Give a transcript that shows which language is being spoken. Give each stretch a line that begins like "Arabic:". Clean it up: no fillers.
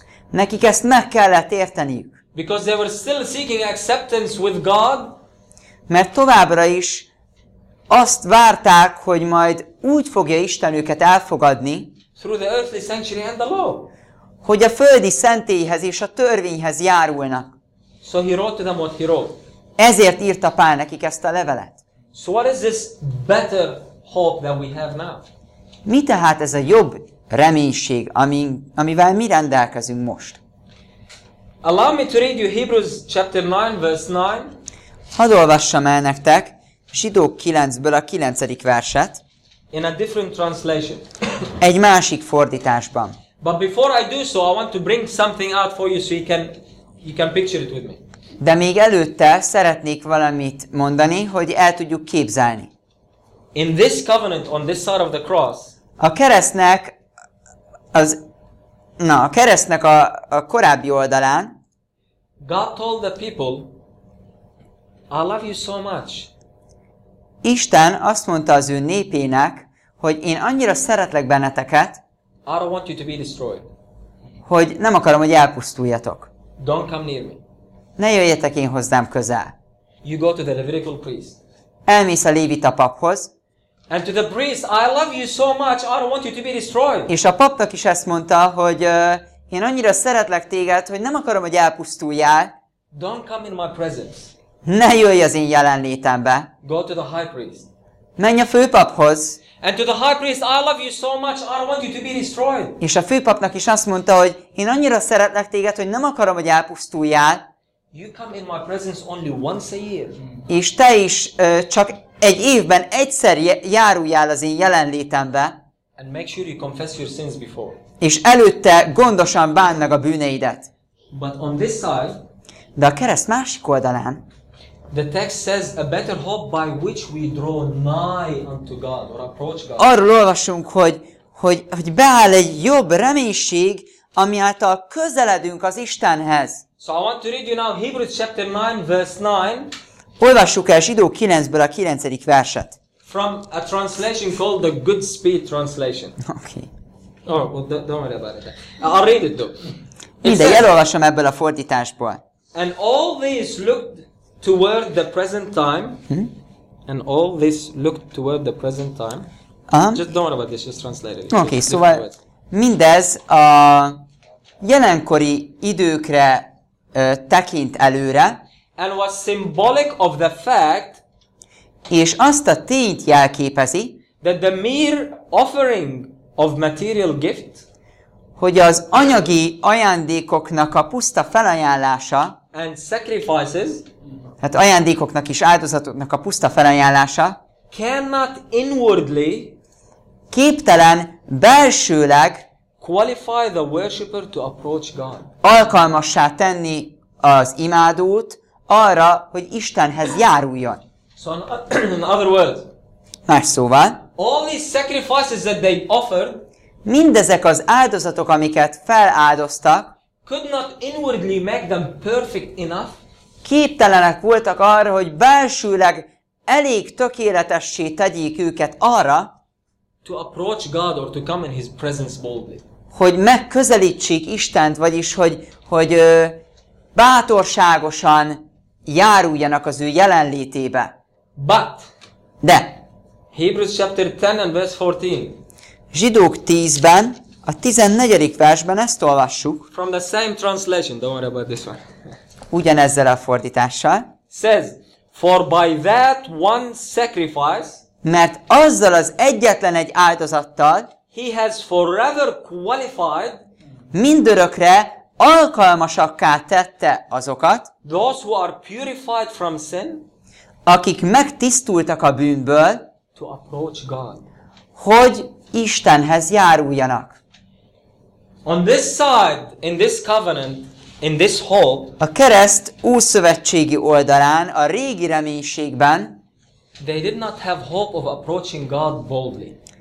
Hungarian: Nekik ezt meg kellett érteniük.
English: Because they were still seeking acceptance with God.
Hungarian: Mert továbbra is azt várták, hogy majd úgy fogja Isten őket elfogadni.
English: Through the earthly sanctuary and the law.
Hungarian: Hogy a földi szentélyhez és a törvényhez járulnak.
English: So he wrote to them what he wrote.
Hungarian: Ezért írta Pál nekik ezt a levelet.
English: So what is this better hope that we have now?
Hungarian: Mi tehát ez a jobb reménység, amivel mi rendelkezünk most?
English: Allow me to read you Hebrews chapter 9 verse 9.
Hungarian: Hadd olvassam el nektek Zsidók 9-ből a 9. verset.
English: In a different translation.
Hungarian: Egy másik fordításban.
English: But before I do so, I want to bring something out for you so you can picture it with me.
Hungarian: De még előtte szeretnék valamit mondani, hogy el tudjuk képzelni.
English: In this covenant on this side of the cross.
Hungarian: A keresztnek az a keresztnek a korábbi oldalán
English: God told the people, I love you so much.
Hungarian: Isten azt mondta az ő népének, hogy én annyira szeretlek benneteket,
English: I don't want you to be destroyed.
Hungarian: Hogy nem akarom, hogy elpusztuljatok.
English: Don't come near me.
Hungarian: Ne jöjjetek én hozzám közel.
English: You go to the Levitical priest.
Hungarian: Elmész a lévita paphoz.
English: And to the priest, I love you so much, I don't want you to be destroyed.
Hungarian: És a papnak is ezt mondta, hogy én annyira szeretlek téged, hogy nem akarom, hogy elpusztuljál.
English: Don't come in my presence.
Hungarian: Ne jöjj az én jelenlétembe.
English: Go to the high priest.
Hungarian: Menj a főpaphoz.
English: And to the high priest, I love you so much, I don't want you to be destroyed.
Hungarian: És a főpapnak is azt mondta, hogy én annyira szeretlek téged, hogy nem akarom, hogy elpusztuljál.
English: You come in my presence only once a year.
Hungarian: És te is csak egy évben egyszer járuljál az én jelenlétembe.
English: And make sure you confess your sins before.
Hungarian: És előtte gondosan bánd meg a bűneidet.
English: But on this side,
Hungarian: de a kereszt másik oldalán
English: the text says a better hope by which we draw nigh unto God or approach God.
Hungarian: Arról olvasunk, hogy beáll egy jobb reménység, ami által közeledünk az Istenhez.
English: So I want to read you now Hebrews chapter 9 verse 9.
Hungarian: Olvassuk el Zsidó 9-ből a 9. verset.
English: From a translation called the Goodspeed translation. Okay. Oh, well, don't worry about it. I'll read it though.
Hungarian: Mindegy, elolvasom ebből a fordításból.
English: And all this looked toward the present time. And all this looked toward the present time. Just don't worry about this, just translate it.
Hungarian: Okay, szóval mindez a jelenkori időkre tekint előre.
English: And was symbolic of the fact.
Hungarian: És azt a tényt jelképezi.
English: That the mere offering of material gift.
Hungarian: Hogy az anyagi ajándékoknak a puszta felajánlása.
English: And sacrifices,
Hungarian: hát ajándékoknak is áldozatoknak a puszta felajánlása,
English: cannot inwardly,
Hungarian: képtelen belsőleg,
English: qualify the worshipper to approach God.
Hungarian: Alkalmassá tenni az imádót arra, hogy Istenhez járuljon.
English: So in other words,
Hungarian: más szóval,
English: all these sacrifices that they offered,
Hungarian: mindezek az áldozatok, amiket feláldoztak,
English: could not inwardly make them perfect enough.
Hungarian: Képtelenek voltak arra, hogy belsőleg elég tökéletessé tegyék őket arra,
English: to approach God or to come in his presence boldly.
Hungarian: Hogy megközelítsék Istent, vagyis hogy bátorságosan járuljanak az ő jelenlétébe.
English: But
Hungarian: de
English: Hebrews chapter 10 and verse 14.
Hungarian: Zsidók 10-ben a 14. versben ezt olvassuk.
English: From the same translation, don't worry about this one.
Hungarian: Ugyanezzel a fordítással.
English: Says, for by that one sacrifice,
Hungarian: mert azzal az egyetlen egy áldozattal,
English: he has forever qualified,
Hungarian: mindörökre alkalmasakká tette azokat,
English: those who are purified from sin,
Hungarian: akik megtisztultak a bűnből,
English: to approach God.
Hungarian: Hogy Istenhez járuljanak.
English: On this side, in this covenant, in this hope,
Hungarian: a kereszt újszövetségi oldalán, a régi reménységben,
English: they did not have hope of approaching God boldly.